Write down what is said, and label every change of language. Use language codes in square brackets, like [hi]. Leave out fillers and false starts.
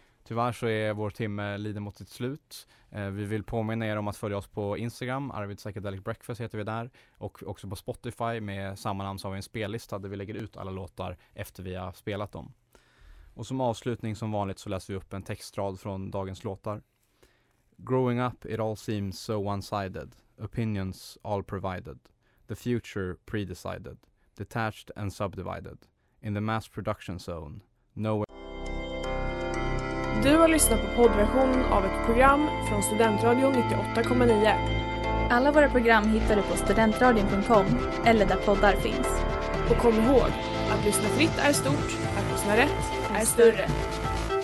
[sv] Tyvärr så är vår timme lider mot sitt slut. Vi vill påminna er om att följa oss på Instagram. Arvid Psychedelic Breakfast heter vi där. Och också på Spotify med samma namn, så har vi en spellista där vi lägger ut alla låtar efter vi har spelat dem. Och som avslutning som vanligt så läser vi upp en textrad från dagens låtar. [en] Growing up, it all seems so one-sided. Opinions all provided. The future predecided. Detached and subdivided. In the mass production zone. Nowhere. [sv] Du har lyssnat på poddversionen av ett program från Studentradion 98,9. Alla våra program hittar du på studentradion.com eller där poddar finns. Och kom ihåg, att lyssna fritt är stort, att lyssna rätt är större.